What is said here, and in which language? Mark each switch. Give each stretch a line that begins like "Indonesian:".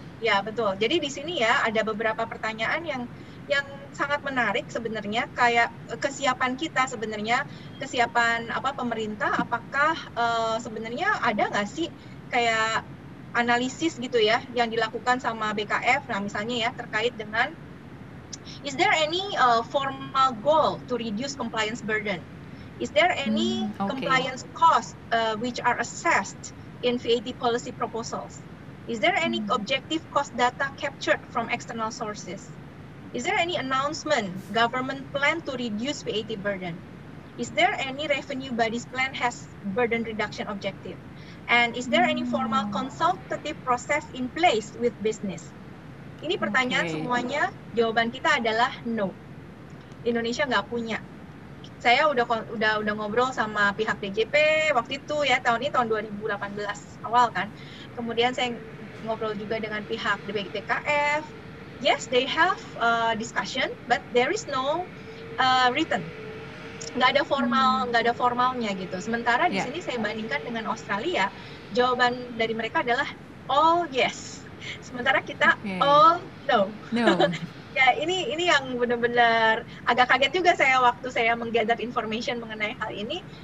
Indonesian: Ya betul, jadi di sini ya ada beberapa pertanyaan yang sangat menarik sebenarnya, kayak kesiapan kita sebenarnya, kesiapan apa pemerintah, apakah sebenarnya ada nggak sih kayak analisis gitu ya yang dilakukan sama BKF, nah misalnya ya terkait dengan
English: is there any formal goal to reduce compliance burden? Is there any compliance cost which are assessed in VAT policy proposals? Is there any objective cost data captured from external sources? Is there any announcement government plan to reduce VAT burden? Is there any revenue bodies plan has burden reduction objective? And is there any formal consultative process in place with business?
Indonesian: Ini pertanyaan semuanya, jawaban kita adalah no. Indonesia nggak punya. Saya udah ngobrol sama pihak DJP waktu itu ya, tahun ini tahun 2018 awal kan. Kemudian saya ngobrol juga dengan pihak DBTKF.
English: Yes, they have discussion, but there is no written.
Indonesian: Nggak ada formal, nggak ada formalnya gitu. Sementara di sini saya bandingkan dengan Australia, jawaban dari mereka adalah
English: all yes.
Indonesian: Sementara kita
English: all no.
Indonesian: Ya ini yang benar-benar agak kaget juga saya waktu saya menggather information mengenai hal ini.